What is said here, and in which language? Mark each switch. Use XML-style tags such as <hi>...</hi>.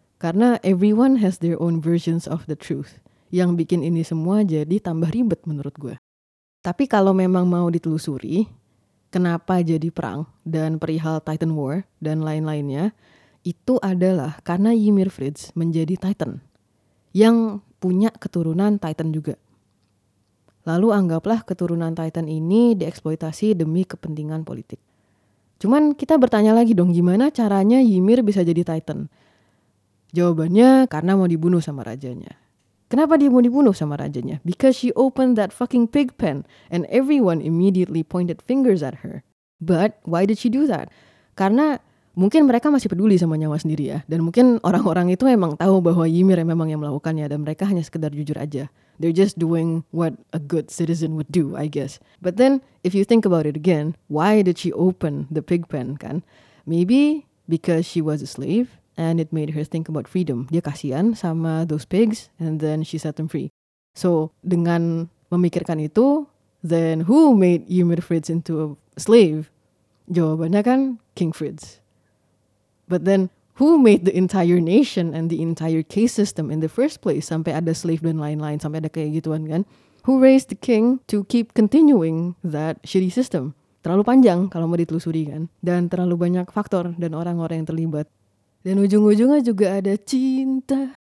<id>Karena</id> <en>everyone has their own versions of the truth.</en> <id>Yang bikin ini semua jadi tambah ribet menurut gue. Tapi kalau memang mau ditelusuri, kenapa jadi perang dan perihal Titan War dan lain-lainnya, itu adalah karena Ymir Fritz menjadi Titan. Yang punya keturunan Titan juga. Lalu anggaplah keturunan Titan ini dieksploitasi demi kepentingan politik. Cuman kita bertanya lagi dong, gimana caranya Ymir bisa jadi Titan? Jawabannya karena mau dibunuh sama rajanya. Kenapa dia mau dibunuh sama rajanya?</id> <en>Because she opened that fucking pig pen and everyone immediately pointed fingers at her. But why did she do that?</en> <id>Karena mungkin mereka masih peduli sama nyawa sendiri ya. Dan mungkin orang-orang itu memang tahu bahwa Ymir memang yang melakukannya dan mereka hanya sekedar jujur aja.</id> <en>They're just doing what a good citizen would do, I guess. But then, if you think about it again, why did she open the pig pen, kan? Maybe because she was a slave and it made her think about freedom.</en> <id>Dia kasihan sama</id> <en>those pigs and then she set them free. So,</en> <id>dengan memikirkan itu,</id> <en>then who made Ymir Fritz into a slave?</en> <id>Jawabannya kan</id> <en>King Fritz. But then, who made the entire nation and the entire case system in the first place?</en> <id>Sampai ada slave dan lain-lain, sampai ada kayak gituan kan?</id> <en>Who raised the king to keep continuing that shitty system?</en> <id>Terlalu panjang kalau mau ditelusuri kan? Dan terlalu banyak faktor dan orang-orang yang terlibat. Dan ujung-ujungnya juga ada cinta.</id>